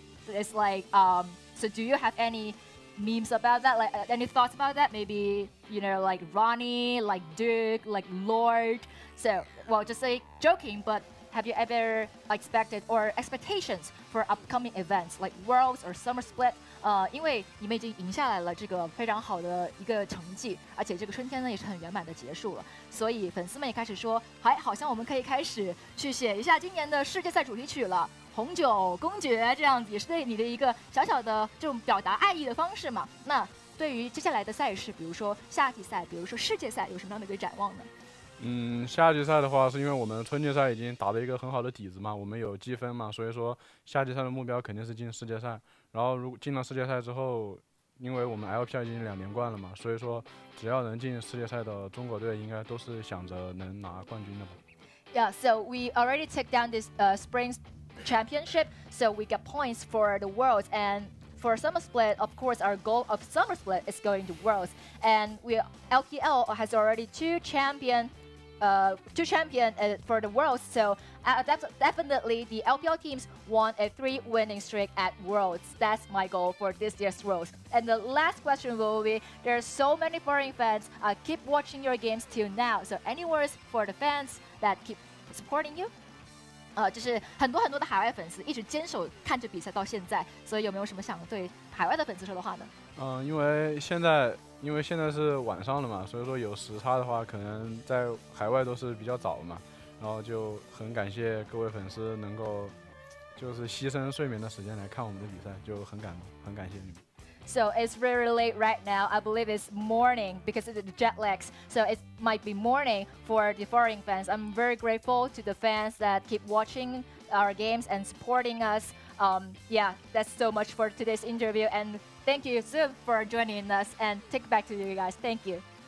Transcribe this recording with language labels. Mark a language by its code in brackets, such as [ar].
[en] So it's like, so do you have any memes about that? Like, any thoughts about that? Maybe, you know, like Ronnie, like Duke, like Lord. So, well, just like joking, but have you ever expected or expectations for upcoming events like Worlds or Summer Split? [zh] 因为你们已经赢下来了这个非常好的一个成绩，而且这个春天呢也是很圆满的结束了，所以粉丝们也开始说，哎，好像我们可以开始去写一下今年的世界赛主题曲了，红酒公爵这样子，也是对你的一个小小的这种表达爱意的方式嘛。那对于接下来的赛事，比如说夏季赛，比如说世界赛，有什么样的一个展望呢？夏季赛的话是因为我们春季赛已经打了一个很好的底子嘛，我们有积分嘛，所以说夏季赛的目标肯定是进世界赛，然后如果进了世界赛之后，因为我们 LPL 已经两连冠了嘛，所以说只要能进世界赛的中国队应该都是想着能拿冠军的吧。 [en] Yeah, so we already took down this Spring Championship, so we got points for the Worlds, andFor Summer Split, of course, our goal of Summer Split is going to Worlds. And LPL has already two champions for the Worlds. So definitely the LPL teams want a 3-winning streak at Worlds. That's my goal for this year's Worlds. And the last question will be, there are so many foreign fans keep watching your games till now. So any words for the fans that keep supporting you? [zh] 就是很多很多的海外粉丝一直坚守看着比赛到现在，所以有没有什么想对海外的粉丝说的话呢？因为现在是晚上了嘛，所以说有时差的话可能在海外都是比较早嘛，然后就很感谢各位粉丝能够就是牺牲睡眠的时间来看我们的比赛，就很感谢你们。 [en] So it's really late right now. I believe it's morning because of the jet lags. So it might be morning for the foreign fans. I'm very grateful to the fans that keep watching our games and supporting us. Yeah, that's so much for today's interview. And thank you, Zoom, for joining us. And take it back to you guys. Thank you.